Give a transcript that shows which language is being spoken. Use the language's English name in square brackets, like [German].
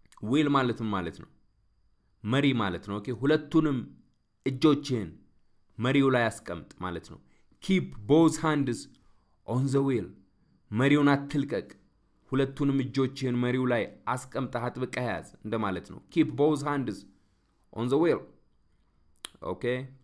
[Amharic] wheel ማለት ነው መሪ ማለት ነው. ኦኬ ሁለቱንም እጆችን መሪው ላይ አስቀምጥ ማለት ነው. [English] keep both hands on the wheel. [Amharic] መሪውን አትልቀቅ ሁለቱንም እጆችን መሪው ላይ አስቀምጣ አጥብቀህ ያዝ እንደ ማለት ነው. [English] keep both hands on the wheel. okay.